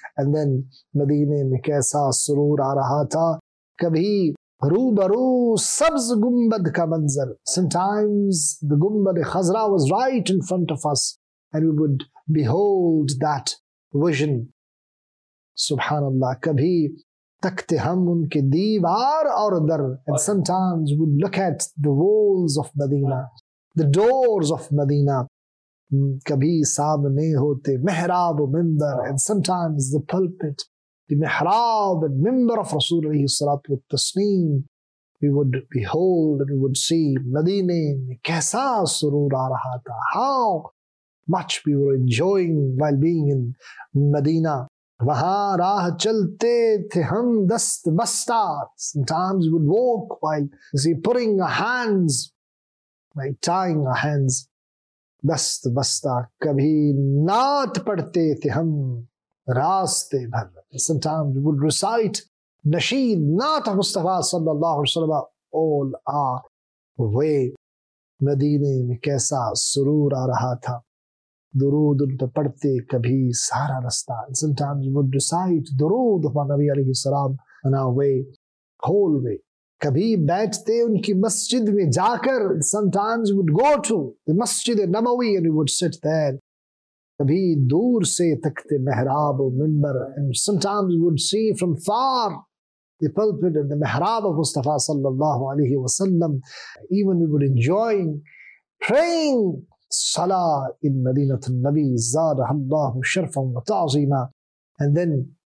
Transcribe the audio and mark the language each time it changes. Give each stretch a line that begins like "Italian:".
English: And then
Urdu: مدینے میں کیسا سرور آ رہا تھا, کبھی روبرو سبز گنبد کا منظر.
English: Sometimes the Gumbad Khazra was right in front of us, and we would behold that vision. Subhanallah.
Urdu: Kabhi takte hum unke deewar aur dar.
English: And sometimes we would look at the walls of Medina, the doors of Medina.
Urdu: Kabhi saamne hote mihrab o minbar.
English: And sometimes the pulpit, the mihrab and minbar of Rasul alayhi salatu wa taslim. We would behold and we would see
Urdu: Medina mein kaisa surur aa raha tha.
English: How much we were enjoying while being in Medina.
Urdu: وہاں راہ چلتے تھے ہم دست بستہ.
English: Sometimes we would walk while, you see, putting our hands, like tying our hands, دست بستہ.
Urdu: کبھی نعت پڑھتے تھے ہم راستے بھر.
English: Sometimes we would recite نشید نعت of Mustafa sallallahu alaihi wasallam all our way.
Urdu: مدینے میں کیسا سرور آ رہا تھا, درود ان پہ پڑھتے کبھی سارا رستہ.
English: Sometimes we would recite درود upon Nabi alayhi salam on our way, whole way.
Urdu: کبھی بیٹھتے ان کی مسجد میں جا کر.
English: Sometimes we would go to the Masjid Nabawi and we would sit there.
Urdu: کبھی دور سے تکتے محراب و منبر.
English: And sometimes we would see from far the pulpit and the محراب of Mustafa sallallahu alayhi wa sallam. Even we would enjoy praying Salah in Madinat al-Nabi,
Arabic: Zadah Allah Sharfan wa Ta'zima.
English: And then